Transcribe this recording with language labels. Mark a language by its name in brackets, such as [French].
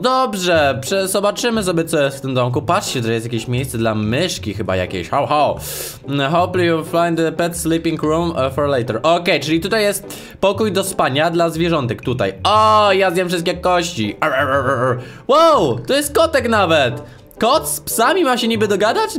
[Polish] Dobrze, zobaczymy sobie, co jest w tym domku. Patrzcie, tutaj jest jakieś miejsce dla myszki chyba jakieś. How, how. [English] Hopefully you'll find the pet sleeping room for later. [Polish] Okej, czyli tutaj jest pokój do spania dla zwierzątek tutaj. O, ja zjem wszystkie kości. Wow, to jest kotek nawet. Kot z psami ma się niby dogadać?